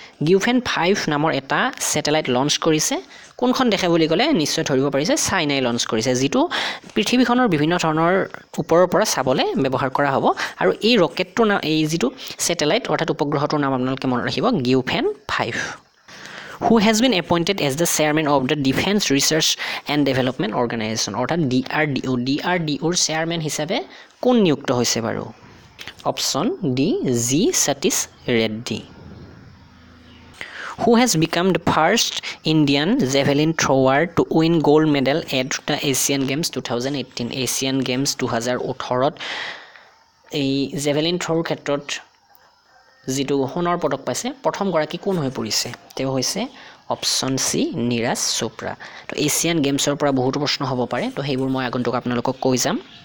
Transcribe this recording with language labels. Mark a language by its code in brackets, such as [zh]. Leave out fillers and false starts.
[as] গিউফেন 5 নামৰ এটা satellite launch কৰিছে, কোনখন দেখে বুলি ক'লে নিশ্চয় ধৰিব পাৰিছে, চাইনাই লঞ্চ কৰিছে, যিটো পৃথিৱীখনৰ বিভিন্ন ধৰণৰ ওপৰৰ পৰা চাবলৈ ব্যৱহাৰ কৰা হ'ব। আৰু এই ৰকেটটোৰ নাম, এই যিটো ছেটেলাইট অৰ্থাৎ উপগ্ৰহটোৰ নাম আপোনালোকে মনত ৰাখিব, গিউফেন 5। [en] Who has been appointed as the chairman of the Defense Research and Development Organization? [as] অৰ্থাৎ DRDO, DRDOৰ চেয়াৰমেন হিচাপে কোন নিযুক্ত হৈছে বাৰু? Option D, G Satish Reddy. [en] Who has become the first Indian javelin thrower to win gold medal at the Asian Games 2018? [as] Asian Games 2018ত এই javelin থ্ৰৰ ক্ষেত্ৰত যিটো সোণৰ পদক পাইছে প্ৰথমগৰাকী কোন হৈ পৰিছে? তেওঁ হৈছে অপশ্যন চি, নীৰাজ চোপ্ৰা। তো এছিয়ান গেমছৰ পৰা বহুতো প্ৰশ্ন হ'ব পাৰে, তো সেইবোৰ মই আগন্তুক আপোনালোকক কৈ যাম।